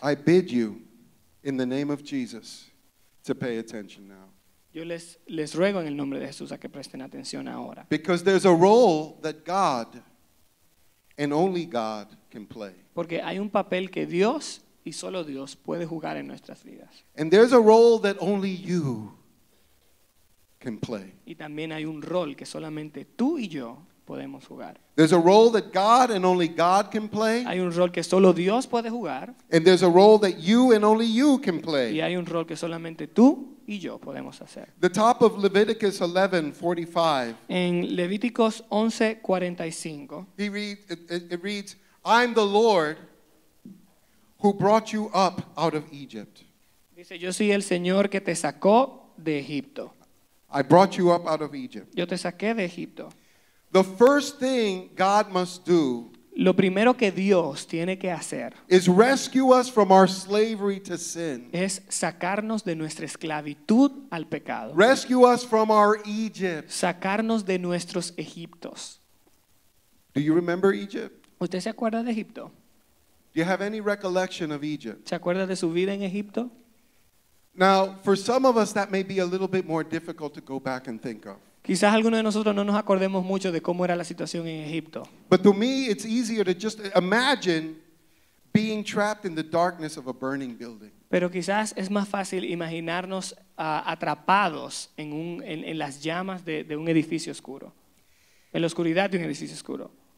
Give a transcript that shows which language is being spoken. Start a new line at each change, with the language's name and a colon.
English: I bid you in the name of Jesus to pay attention now.
Spanish: Yo les ruego en el nombre de Jesús a que presten atención ahora.
English: Because there's a role that God and only God can play.
Spanish: Porque hay un papel que Dios y solo Dios puede jugar en nuestras vidas.
English: And there's a role that only you can play.
Spanish: Y también hay un rol que solamente tú y yo podemos jugar.
English: There's a role that God and only God can play.
Spanish: Hay un rol que solo Dios puede jugar.
English: And there's a role that you and only you can play.
Spanish: Y hay un rol que solamente tú y yo podemos hacer.
English: The top of Leviticus 11:45.
Spanish: En Levíticos 11:45.
English: It reads, I'm the Lord who brought you up out of Egypt.
Spanish: Dice, yo soy el Señor que te sacó de Egipto.
English: I brought you up out of Egypt.
Spanish: Yo te saqué de Egipto.
English: The first thing God must do.
Spanish: Lo primero que Dios tiene que hacer.
English: Is rescue us from our slavery to sin.
Spanish: Es sacarnos de nuestra esclavitud al pecado.
English: Rescue us from our Egypt.
Spanish: Sacarnos de nuestros Egiptos.
English: Do you remember Egypt?
Spanish: ¿Usted se acuerda de Egipto?
English: Do you have any recollection of Egypt?
Spanish: ¿Se acuerda de su vida en Egipto?
English: Now, for some of us, that may be a little bit more difficult to go back and think of.
Spanish: Quizás algunos de nosotros no nos acordemos mucho de cómo era la situación en Egipto.
English: But to me, it's easier to just imagine being trapped in the darkness of a burning building.
Spanish: Pero quizás es más fácil imaginarnos atrapados en las llamas de un edificio oscuro, en la oscuridad de un edificio oscuro.